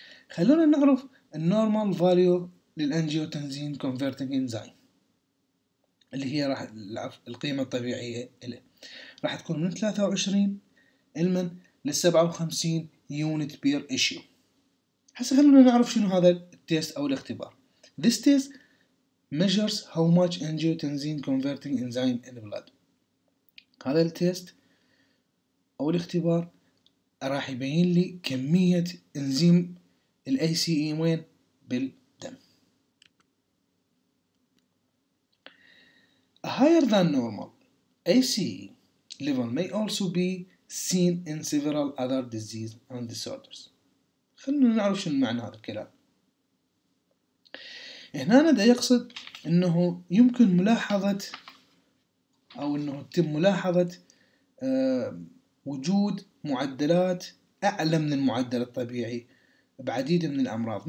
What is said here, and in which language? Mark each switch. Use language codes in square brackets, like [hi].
[ar] خلونا نعرف النورمال فاليو للانجيوتنسين كونفرتينج انزيم اللي هي راح القيمه الطبيعيه له راح تكون من 23 المن ل 57 يونت بير ايشيو. هسه خلونا نعرف شنو هذا التيست او الاختبار. [en] This test measures how much angiotensin converting enzyme in blood. [ar] هذا التيست أو الاختبار راح يبين لي كمية إنزيم الـ ACE وين بالدم. [en] A higher than normal ACE level may also be seen in several other diseases and disorders. [ar] خلنا نعرف شنو معنى هذا الكلام. هنا ده يقصد أنه يمكن ملاحظة أو أنه تتم ملاحظة وجود معدلات أعلى من المعدل الطبيعي بعديد من الأمراض.